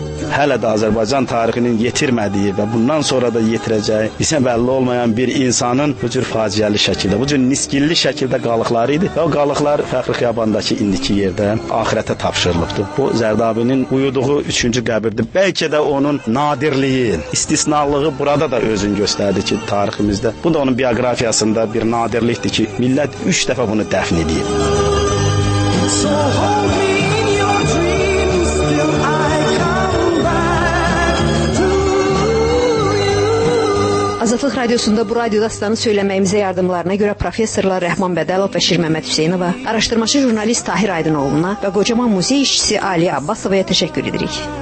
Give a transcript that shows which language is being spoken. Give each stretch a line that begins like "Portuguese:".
Azerbaijani: Hələ də Azərbaycan tarixinin yetirmədiyi və bundan sonra da yetirəcəyi isə bəlli olmayan bir insanın bu cür faciəli şəkildə, bu cür niskilli şəkildə qalıqları idi və o qalıqlar Fəxri Xiyabandakı indiki yerdə axirətə tapşırılıbdır. Bu Zərdabinin uyuduğu üçüncü qəbirdir. Bəlkə də onun nadirliyi, istisnalığı burada da özünü göstərdi ki, tariximizdə. Bu da onun biografiyasında bir nadirlikdir ki, millət üç dəfə bunu dəfn edib.
English: So hold me in your dreams till I come back to you.
Azerbaijani: Azadlıq Radiosunda bu radio dastanı söyləməyimizə yardımlarına görə professorlar Rəhman Bədəlov və Şir Məhəmməd Hüseynova, araşdırmaçı jurnalist Tahir Aydınoğluna və qocaman muzey işçisi Ali Abbasovaya təşəkkür edirik.